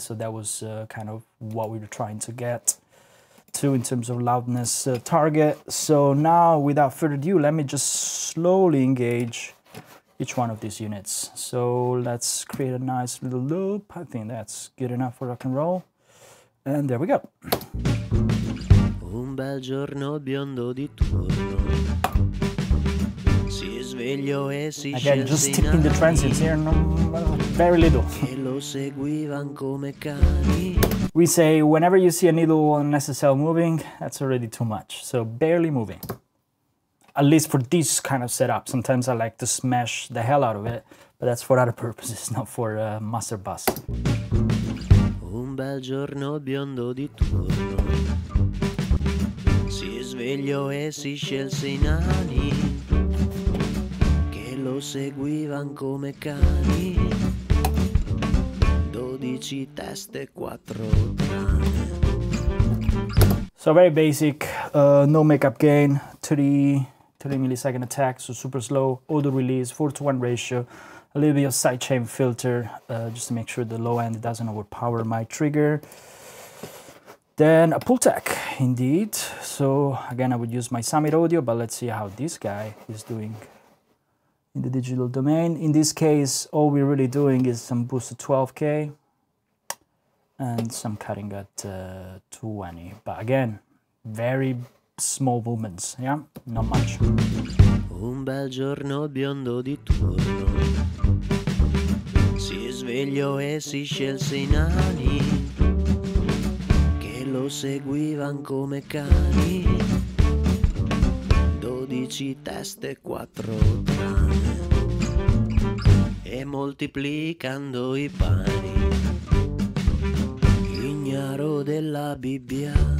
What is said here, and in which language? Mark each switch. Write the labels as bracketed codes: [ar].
[en] So that was kind of what we were trying to get to in terms of loudness target. So now, without further ado, let me just slowly engage each one of these units. So let's create a nice little loop. I think that's good enough for rock and roll. And there we go. [it] Un bel giorno biondo di turno si svegliò e si [en] Again, just tipping the transients here, very little. [it] E lo seguivan come cani. [en] We say whenever you see a needle on SSL moving, that's already too much. So barely moving. At least for this kind of setup. Sometimes I like to smash the hell out of it, but that's for other purposes, not for a master bus. [it] Un bel giorno biondo di turno si svegliò e si scelse i nani che lo seguivan come cani. 12 teste, 4 cani. [en] So very basic, no makeup gain, 30 millisecond attack, so super slow, auto release, 4-to-1 ratio, a little bit of sidechain filter, just to make sure the low end doesn't overpower my trigger. Then a pull tech, indeed. So again, I would use my Summit Audio, but let's see how this guy is doing in the digital domain. In this case, all we're really doing is some boost at 12K and some cutting at 20. But again, very small movements, yeah, not much. [it] Un bel giorno biondo di turno si svegliò e si scelse i nani che lo seguivan come cani. 12 teste, 4 cani, e moltiplicando i pani, ignaro della Bibbia.